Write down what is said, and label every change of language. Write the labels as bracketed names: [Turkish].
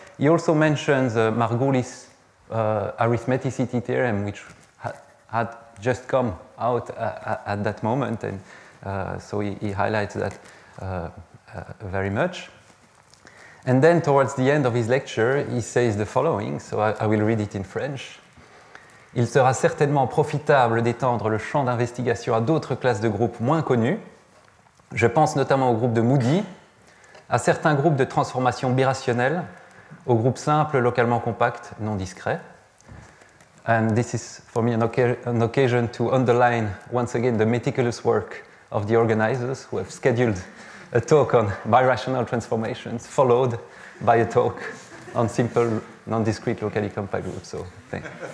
[English] He also mentions Margulis' arithmeticity theorem, which had just come out at that moment, and so he highlights that very much. And then towards the end of his lecture, he says the following, so I will read it in French. [French] Il sera certainement profitable d'étendre le champ d'investigation à d'autres classes de groupes moins connues. Je pense notamment au groupe de Moody, à certains groupes de transformation birationnelle, aux groupes simples, localement compacts, non discrets. [English] And this is for me an occasion to underline once again the meticulous work of the organizers who have scheduled a talk on birational transformations followed by a talk on simple non-discrete locally compact groups. So, thank you.